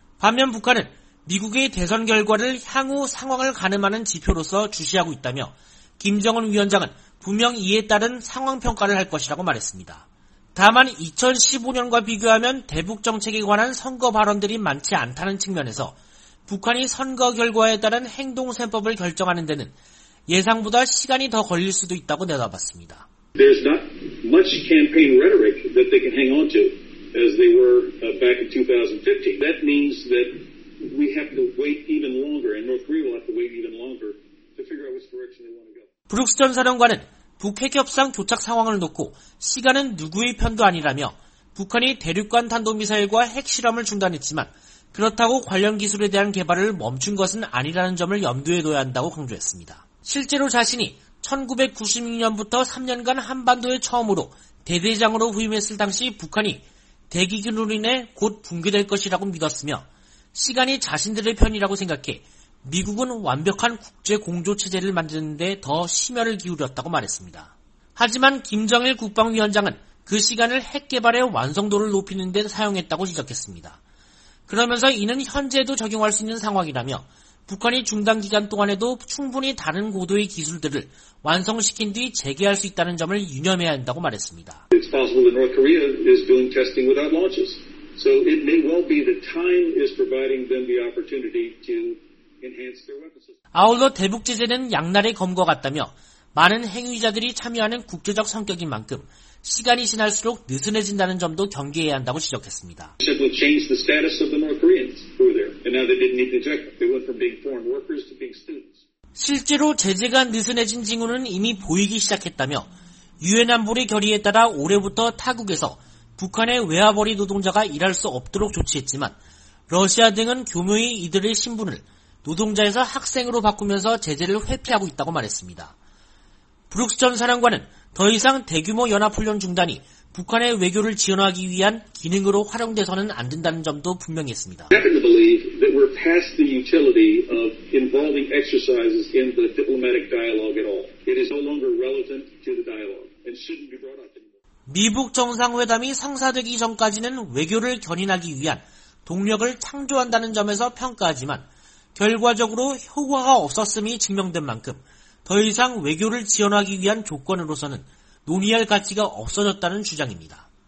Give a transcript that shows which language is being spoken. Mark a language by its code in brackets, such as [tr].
[ko] 반면 북한은 미국의 대선 결과를 향후 상황을 가늠하는 지표로서 주시하고 있다며 김정은 위원장은 분명 이에 따른 상황평가를 할 것이라고 말했습니다. 다만 2015년과 비교하면 대북 정책에 관한 선거 발언들이 많지 않다는 측면에서 북한이 선거 결과에 따른 행동 셈법을 결정하는 데는 예상보다 시간이 더 걸릴 수도 있다고 내다봤습니다. [en] There's not much campaign rhetoric that they can hang on to as they were back in 2015. That means that we have to wait even longer and North Korea will have to wait even longer to figure out which direction they want to go. [ko] 브룩스 전 사령관은 북핵 협상 교착 상황을 놓고 시간은 누구의 편도 아니라며 북한이 대륙간 탄도미사일과 핵실험을 중단했지만 그렇다고 관련 기술에 대한 개발을 멈춘 것은 아니라는 점을 염두에 둬야 한다고 강조했습니다. 실제로 자신이 1996년부터 3년간 한반도에 처음으로 대대장으로 후임했을 당시 북한이 대기근으로 인해 곧 붕괴될 것이라고 믿었으며 시간이 자신들의 편이라고 생각해 미국은 완벽한 국제 공조 체제를 만드는 데 더 심혈을 기울였다고 말했습니다. 하지만 김정일 국방위원장은 그 시간을 핵 개발의 완성도를 높이는 데 사용했다고 지적했습니다. 그러면서 이는 현재도 적용할 수 있는 상황이라며 북한이 중단 기간 동안에도 충분히 다른 고도의 기술들을 완성시킨 뒤 재개할 수 있다는 점을 유념해야 한다고 말했습니다. [en] It's possible that North Korea is doing testing without launches. So it may well be that time is providing them the opportunity to [ko] 아울러 대북 제재는 양날의 검과 같다며 많은 행위자들이 참여하는 국제적 성격인 만큼 시간이 지날수록 느슨해진다는 점도 경계해야 한다고 지적했습니다. 실제로 제재가 느슨해진 징후는 이미 보이기 시작했다며 유엔 안보리 결의에 따라 올해부터 타국에서 북한의 외화벌이 노동자가 일할 수 없도록 조치했지만 러시아 등은 교묘히 이들의 신분을 노동자에서 학생으로 바꾸면서 제재를 회피하고 있다고 말했습니다. 브룩스 전 사령관은 더 이상 대규모 연합훈련 중단이 북한의 외교를 지원하기 위한 기능으로 활용돼서는 안 된다는 점도 분명했습니다. [en] I happen to believe that we're past the utility of involving exercises in the diplomatic dialogue at all. It is no longer relevant to the dialogue and shouldn't be brought up anymore. [ko] 미북 정상회담이 성사되기 전까지는 외교를 견인하기 위한 동력을 창조한다는 점에서 평가하지만 결과적으로 효과가 없었음이 증명된 만큼 더 이상 외교를 지원하기 위한 조건으로서는 논의할 가치가 없어졌다는 주장입니다.